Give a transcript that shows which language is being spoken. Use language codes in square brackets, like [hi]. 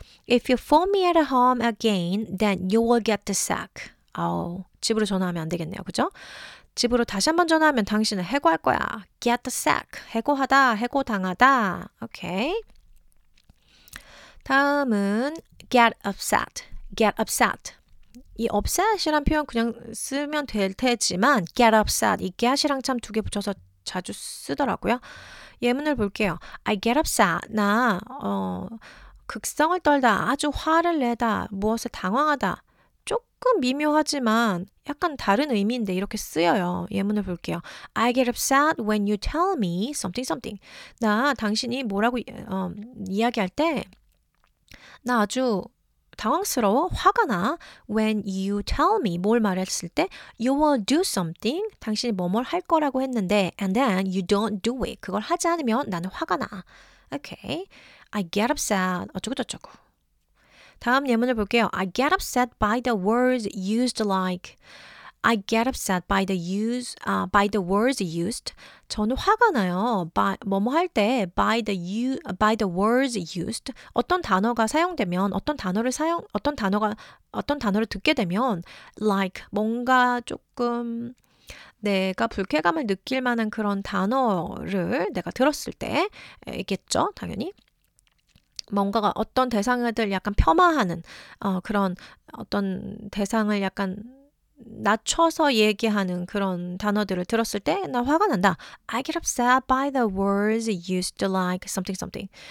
[en] If you phone me at home again, then you will get the sack. [ko] 아우, 집으로 전화하면 안 되겠네요. 그죠? 집으로 다시 한번 전화하면 당신은 해고할 거야. [en] Get the sack. [ko] 해고하다, 해고당하다. [en] Okay. [ko] 다음은 [en] get upset. Get upset. [ko] 이 upset이란 표현 그냥 쓰면 될 테지만 get upset. 이 get이랑 참 두 개 붙여서 자주 쓰더라고요. 예문을 볼게요. [en] I get upset. [ko] 나 극성을 떨다, 아주 화를 내다, 무엇에 당황하다. 조금 미묘하지만 약간 다른 의미인데 이렇게 쓰여요. 예문을 볼게요. [en] I get upset when you tell me something something. [ko] 나 당신이 뭐라고 이야기할 때 나 아주 당황스러워, 화가 나. [en] When you tell me, [ko] 뭘 말했을 때 [en] you will do something, [ko] 당신이 뭐뭘 할 거라고 했는데 [en] and then you don't do it. [ko] 그걸 하지 않으면 나는 화가 나. [en] Okay. I get upset. [ko] 어쩌고저쩌고. 다음 예문을 볼게요. [en] I get upset by the words used like I get upset by the use by the words used. [ko] 저는 화가 나요. [en] by [ko] 뭐뭐 할 때 [en] by the words used. [ko] 어떤 단어가 사용되면 어떤 단어를 듣게 되면 like 뭔가 조금 내가 불쾌감을 느낄 만한 그런 단어를 내가 들었을 때겠죠. 당연히 뭔가가 어떤 대상을 약간 폄하하는 그런 어떤 대상을 약간 낮춰서 얘기하는 그런 단어들을 들었을 때 나 화가 난다. [en] I get upset by the words used like something something.